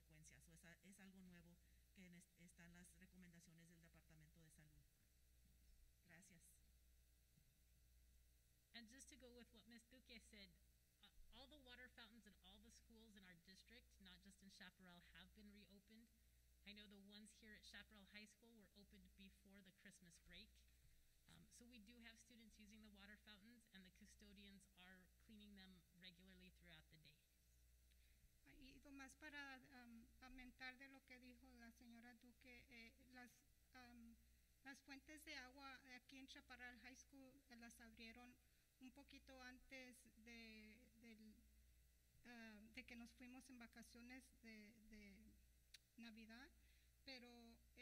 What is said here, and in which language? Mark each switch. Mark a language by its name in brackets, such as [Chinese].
[Spanish] So es algo nuevo que están las recomendaciones del Departamento de Salud. Gracias. [English] And just to go with what Ms. Duque said, all the water fountains in all the schools in our district, not just in Chaparral, have been reopened. I know the ones here at Chaparral High School were opened before the Christmas break. So we do have students using the water fountains, and the custodians are cleaning them regularly throughout the day. [Spanish] Y nomás para aumentar de lo que dijo la señora Duque, las fuentes de agua aquí en Chaparral High School las abrieron un poquito antes de que nos fuimos en vacaciones de Navidad, pero